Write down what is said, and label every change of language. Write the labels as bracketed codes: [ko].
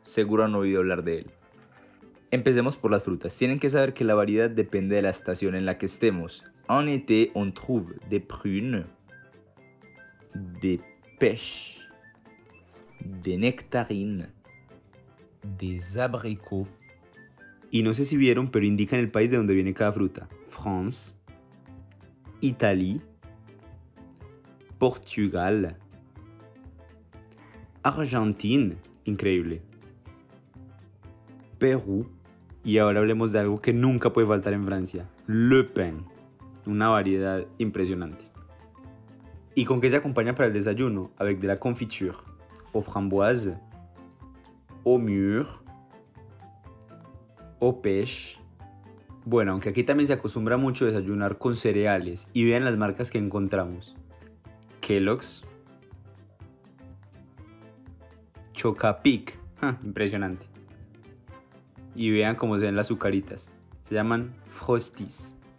[es] Seguro han oído hablar de él. Empecemos por las frutas. Tienen que saber que la variedad depende de la estación en la que estemos. [fr] En été, on trouve des prunes, des pêches, des nectarines, des abricots. [es] Y no sé si vieron, pero indican el país de donde viene cada fruta. [fr] France, Italie, Portugal, Argentina, [es] increíble, [fr] Perú. [es] Y ahora hablemos de algo que nunca puede faltar en Francia, [fr] le pain, [es] una variedad impresionante. ¿Y con qué se acompaña para el desayuno? [fr] Avec de la confiture, aux framboises, au mûr, o pêche. [es] Bueno, aunque aquí también se acostumbra mucho desayunar con cereales. Y vean las marcas que encontramos. Kellogg's. Chocapic. Impresionante. Y vean cómo se ven las azucaritas. Se llaman Frosties.